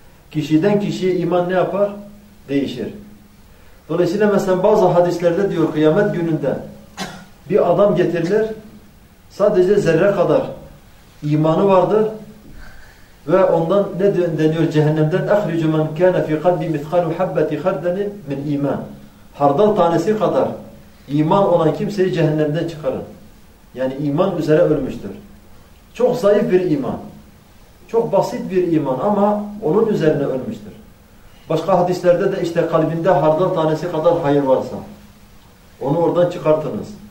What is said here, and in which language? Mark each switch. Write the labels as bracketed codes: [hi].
[tr] Kişiden kişiye iman ne yapar? Değişir. Dolayısıyla mesela bazı hadislerde diyor, kıyamet gününde bir adam getirilir, sadece zerre kadar imanı vardır. Ve ondan ne deniyor cehennemden? [ar] اَخْرِجُ مَنْ كَانَ فِي قَلْبِ مِثْقَلُ حَبَّةِ خَرْدَنِ مِنْ iman. [tr] Hardal tanesi kadar iman olan kimseyi cehennemden çıkarın. Yani iman üzere ölmüştür. Çok zayıf bir iman. Çok basit bir iman ama onun üzerine ölmüştür. Başka hadislerde de işte kalbinde hardal tanesi kadar hayır varsa onu oradan çıkartınız.